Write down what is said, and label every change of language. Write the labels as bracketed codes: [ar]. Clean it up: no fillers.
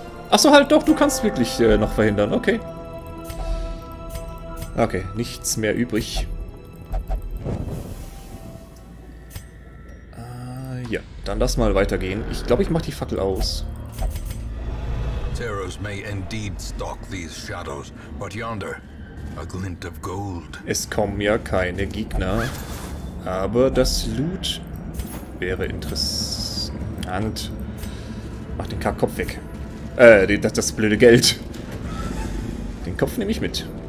[de] Achso, halt doch, du kannst wirklich noch verhindern, okay. Okay, nichts mehr übrig. Ja, dann lass mal weitergehen. Ich glaube, ich mach die Fackel aus. [en] Terrors may indeed stalk these shadows, but yonder, a glint of gold. [de] Es kommen ja keine Gegner. Aber das Loot wäre interessant. Mach den Kackkopf weg. Das blöde Geld. Den Kopf nehme ich mit.